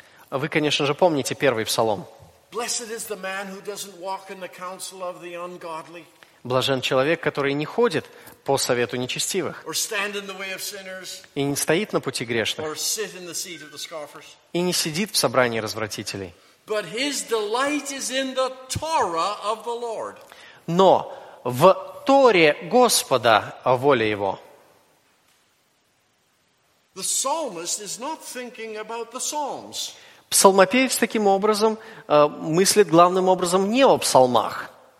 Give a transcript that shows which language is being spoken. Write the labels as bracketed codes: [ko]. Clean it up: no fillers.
[ru] Вы, конечно же, помните первый псалом. [en] Blessed is the man who doesn't walk in the counsel of the ungodly. [ru] Блажен человек, который не ходит по совету нечестивых. [en] Or stand in the way of sinners. [ru] И не стоит на пути грешных. [en] Or sit in the seat of the scoffers. [ru] И не сидит в собрании развратителей. [en] But his delight is in the Torah of the Lord. [ru] Но в Торе Господа воля его. [en] The psalmist is not thinking about the Psalms. [ru] Псалмопевец таким образом мыслит главным образом не о псалмах.